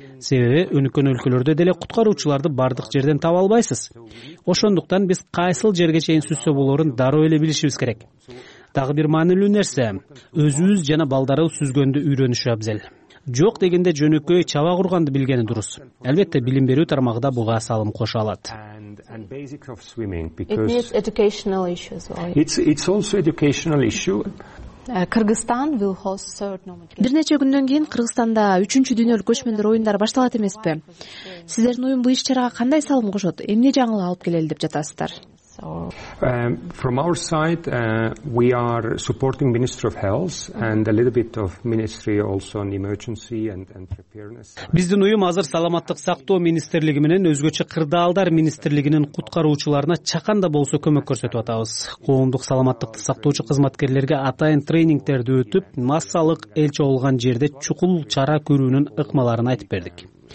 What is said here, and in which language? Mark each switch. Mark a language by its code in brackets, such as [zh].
[ky] Себеби өнүккөн өлкөлөрдө деле куткаруучуларды бардык жерден таба албайсыз. Ошондуктан биз кайсыл жерге чейин сүзсө болорун дароо эле билишибиз керек. Дагы бир маанилүү нерсе, өзүбүз жана балдарыбыз сүзгөндү үйрөнүшү абзел. Жок дегенде жөнөкөй чаба курганды билгени дурус. Албетте билим берүү тармагында буга салым кошо алат. [en] And basic of swimming because it needs educational issues. Right? It's also educational issue. Кыргызстан will host third Olympic Games. [ky] Бир нече күндөн кийин Кыргызстанда 3-чү дүйнөлүк көчмөндөр оюндары башталат эмеспи? Сиздердин уюм бул иш-чарага кандай салым кошот? Эмне жаңылык алып келели деп жатасыздар? [en] From our side, we are supporting Ministry of Health and a little bit of Ministry also on emergency and preparedness. [ky] Биздин уюм азыр саламаттык сактоо министрлиги менен өзгөчө кырдаалдар министрлигинин куткаруучуларына чаканда болсо көмөк көрсөтүп атабыз. Коомдук саламаттыкты сактоочу кызматкерлерге атайын тренингдерди өтүп, массалык эл чогулган жерде чукул чара көрүүнүн ыкмаларын айтып бердик.